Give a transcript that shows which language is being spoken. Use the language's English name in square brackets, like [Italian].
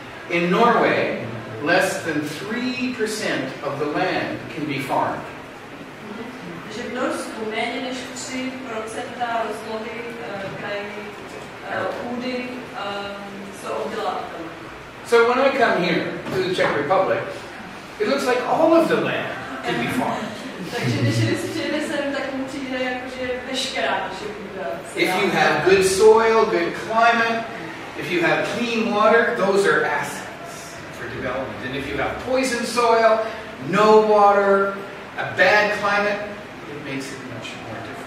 [English] In Norway, less than 3% of the land can be farmed. [Czech] Že v Norsku méně než 3% rozlohy krajiny půdy jsou obdělávané. [English] So when I come here to the Czech Republic, it looks like all of the land can be farmed. [Czech] Takže když jsem přijde sem, tak mu přijde jako, že veškerá naše půda. [English] If you have good soil, good climate, if you have clean water, those are assets for development. And if you have poison soil, no water, a bad climate, it makes it much more